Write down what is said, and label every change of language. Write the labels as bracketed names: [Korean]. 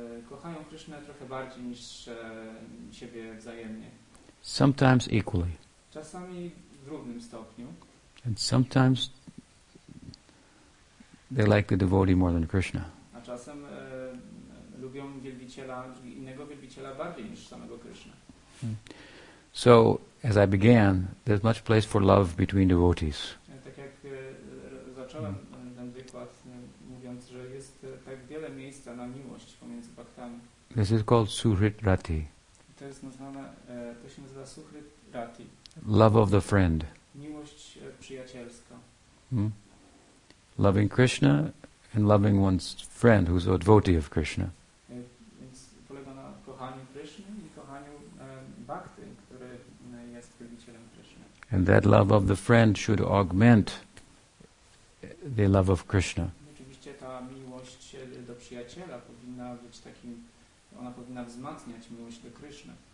[Polish] Kochają Krishna trochę bardziej niż siebie wzajemnie. [English] Sometimes equally. [Polish] Czasami w równym stopniu. [English] And sometimes they like the devotee more than Krishna. [Polish] A czasem lubią wielbiciela, innego wielbiciela bardziej niż samego Krishna. [English] So, as I began, there's much place for love between devotees. [Polish] Tak jak zacząłem ten wykład, mówiąc, że jest tak wiele miejsca na miłość pomiędzy bhaktami. [English] This is called Suhrit Rati. [Polish] To jest nazwane, to się nazywa Suhrit Rati. [English] Love of the friend. [Polish] Miłość przyjacielska. [English] Loving Krishna and loving one's friend who's a devotee of Krishna. [Polish] Więc polega na kochaniu Krishna I kochaniu bhakty, który jest wielbicielem Krishna. [English] And that love of the friend should augment the love of Krishna. [Polish] Oczywiście ta miłość do przyjaciela powinna być takim, ona powinna wzmacniać miłość do Krishna.